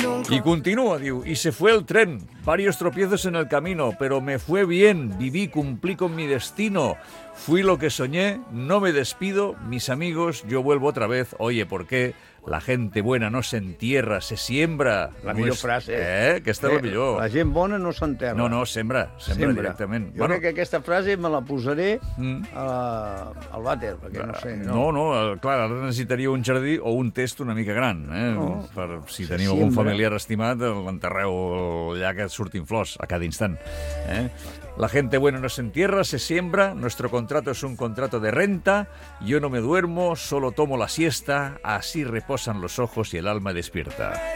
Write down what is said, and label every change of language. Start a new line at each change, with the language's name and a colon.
Spanish: Y continúa, diu, y se fue el tren, varios tropiezos en el camino, pero me fue bien, viví, cumplí con mi destino, fui lo que soñé, no me despido, mis amigos, yo vuelvo otra vez, oye, ¿por qué? La gente buena no se entierra, se siembra.
Catalan: La millor frase. Que està la millor. La gent bona no s'enterra. No, no, sembra, sembra, sembra directament. Jo crec que aquesta frase me la posaré al vàter, perquè no sé. Clar, ara necessitaria un jardí o un test una mica gran. Per, si teniu sembra. Algun familiar estimat, l'enterreu allà que surtin flors a cada instant.
Spanish: La gente buena no se entierra, se siembra. Nuestro contrato es un contrato de renta. Yo no me duermo, solo tomo la siesta. Así reposan los ojos y el alma despierta.